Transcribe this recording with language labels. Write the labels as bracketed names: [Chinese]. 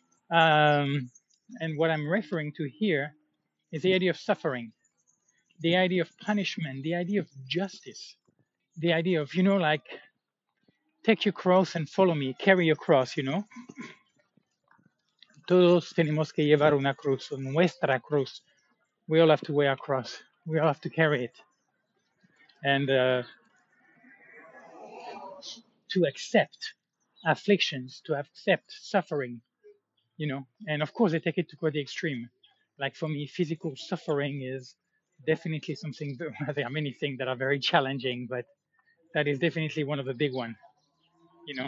[English] And what I'm referring to here is the idea of suffering, the idea of punishment, the idea of justice, the idea of, you know, like, take your cross and follow me, carry your cross, you know. [Spanish] Todos tenemos que llevar una cruz, nuestra cruz. [English] We all have to wear a cross. We all have to carry it. And to accept afflictions, to accept suffering, you know. And of course, I take it to quite the extreme. Like for me, physical suffering is definitely something, there are many things that are very challenging, but that is definitely one of the big ones, you know.